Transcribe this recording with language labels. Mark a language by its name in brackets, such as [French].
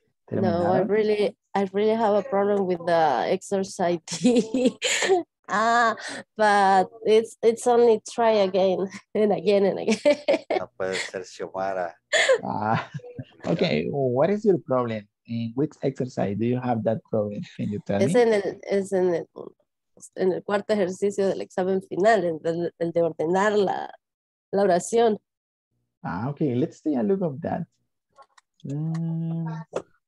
[English] No, I really have a problem with the exercise. but it's only try again and again and again. [Spanish] No puede ser, Xiomara. [English] Okay, what is your problem? In which exercise do you have that problem? Can you tell me? [Spanish] Es en el cuarto ejercicio del examen final, el de ordenar la oración. [English] Ah, okay, let's take a look at that.